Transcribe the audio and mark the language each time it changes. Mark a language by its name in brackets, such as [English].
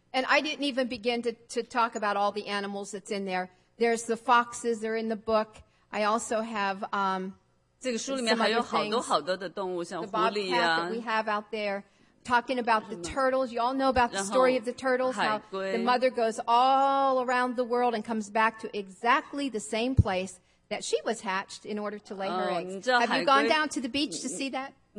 [English] And I didn't even begin to talk about all the animals that's in there. There's the foxes that are in the book. I also have [Chinese] 这个书里面还有好多好多的动物，像狐狸呀。 [English] The bobcat that we have out there, talking about the turtles. You all know about the story of the turtles, how the mother goes all around the world and comes back to exactly the same place that she was hatched in order to lay her eggs. Have you gone down to the beach to see that?